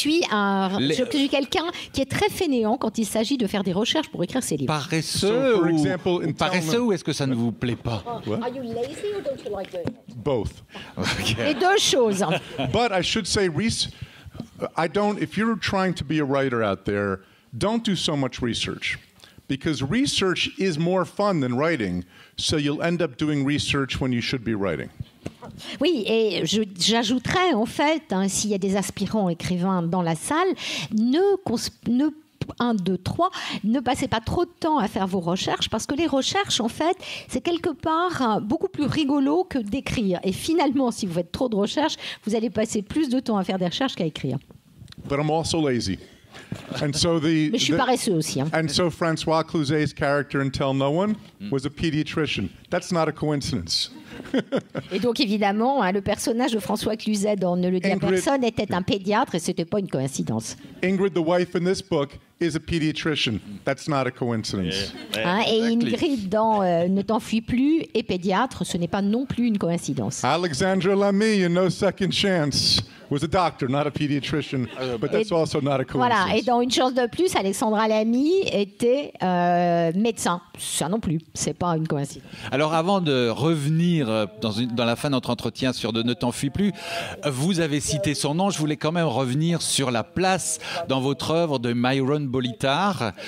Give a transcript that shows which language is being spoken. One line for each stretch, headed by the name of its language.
French: Je suis quelelqu'un qui est très fainéant quand il s'agit de faire des recherches pour écrire ses livres. Paresseux ou est-ce que ça ne vous plaît pas?
English: What? Are you lazy or don't you like doing it? Both.
French: Okay. Les deux choses.
English: But I should say, Reese, I don't. If you're trying to be a writer out there, don't do so much research, because research is more fun than writing. So you'll end up doing research when you should be writing.
French: Oui, et j'ajouterais en fait, hein, s'il y a des aspirants écrivains dans la salle, ne passez pas trop de temps à faire vos recherches, parce que les recherches, en fait, c'est quelque part beaucoup plus rigolo que d'écrire. Et finalement, si vous faites trop de recherches, vous allez passer plus de temps à faire des recherches qu'à écrire.
English: But I'm also lazy. And so
French: mais je suis paresseux aussi. Hein.
English: And so François Cluzet's character in Tell No One was a pediatrician. That's not a coincidence.
French: Et donc évidemment, hein, le personnage de François Cluzet dans Ne le dit à personne était un pédiatre et ce n'était pas une coïncidence.
English: Ingrid, the wife in this book, is a pediatrician. That's not a coïncidence. Yeah.
French: Hein, et Ingrid dans Ne t'enfuis plus est pédiatre, ce n'est pas non plus une coïncidence.
English: Alexandra Lamy in No Second Chance was a doctor, not a pediatrician, but that's also not a coincidence.
French: Voilà, et dans Une chance de plus, Alexandra Lamy était médecin. Ça non plus, c'est pas une coïncidence. Alors avant de revenir dans la fin de notre entretien sur de Ne t'enfuis plus, vous avez cité son nom, je voulais quand même revenir sur la place dans votre œuvre de Myron Bolitar.